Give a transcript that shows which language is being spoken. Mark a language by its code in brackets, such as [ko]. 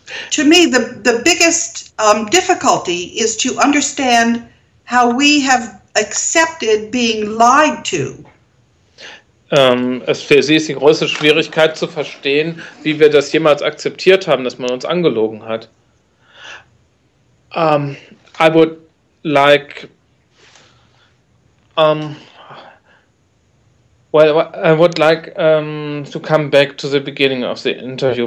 [en] To me, the biggest difficulty is to understand how we have accepted being lied to. [de] Für sie ist die größte Schwierigkeit zu verstehen, wie wir das jemals akzeptiert haben, dass man uns angelogen hat. [en] I would like, well, I would like to come back to the beginning of the interview.